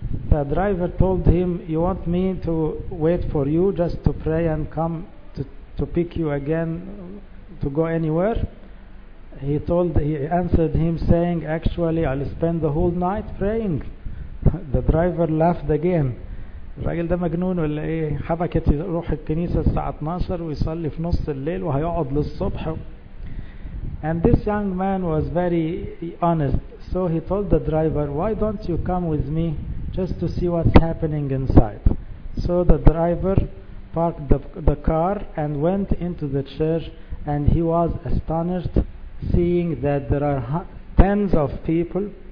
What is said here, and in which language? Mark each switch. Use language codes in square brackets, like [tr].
[en] The driver told him, you want me to wait for you just to pray and come to pick you again to go anywhere? He answered him saying, actually, I'll spend the whole night praying. The driver laughed again. [ar] الراجل ده مجنون ولا ايه؟ حبكت يروح الكنيسة الساعة 12 ويصلي في نص الليل وهيقعد للصبح. [en] And this young man was very honest. So he told the driver, why don't you come with me just to see what's happening inside? So the driver parked the car and went into the church, and he was astonished seeing that there are tens of people